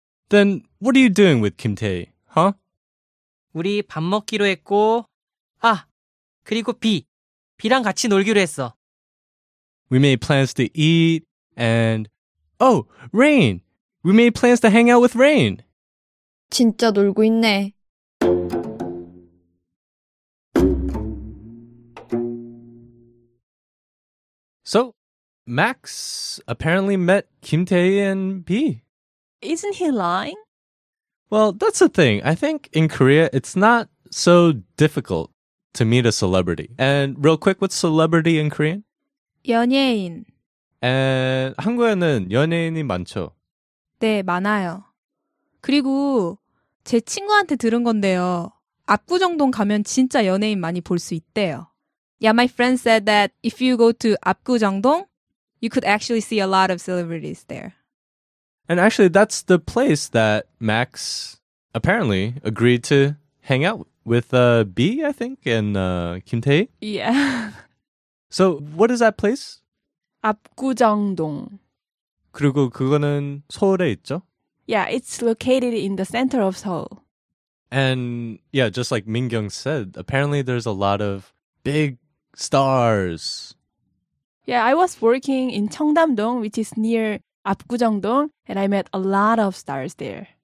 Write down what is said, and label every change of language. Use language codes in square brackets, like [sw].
[en] Then what are you doing with Kim Tae-hee, huh? [ko] 우리 밥 먹기로 했고, 아, 그리고 비. 비랑 같이 놀기로 했어. [en] We made plans to eat and... Oh, Rain! We made plans to hang out with Rain! [ko] 진짜 놀고 있네. [en] So, Max apparently met Kim Tae and B. Isn't he lying? Well, that's the thing. I think in Korea, it's not so difficult to meet a celebrity. And real quick, what's celebrity in Korean? [ko] 연예인. And 한국에는 연예인이 많죠? 네, 많아요. 그리고 제 친구한테 들은 건데요. 압구정동 가면 진짜 연예인 많이 볼 수 있대요. [en] Yeah, my friend said that if you go to 압구정동, you could actually see a lot of celebrities there. And actually, that's the place that Max apparently agreed to hang out with B, I think, and Kim Tae. Yeah. So, what is that place? [ko] 압구정동. 그리고 그거는 서울에 있죠? [en] Yeah, it's located in the center of Seoul. And yeah, just like Mingyong said, apparently there's a lot of big stars. Yeah, I was working in Cheongdam-dong, which is near 압구정동, and I met a lot of stars there.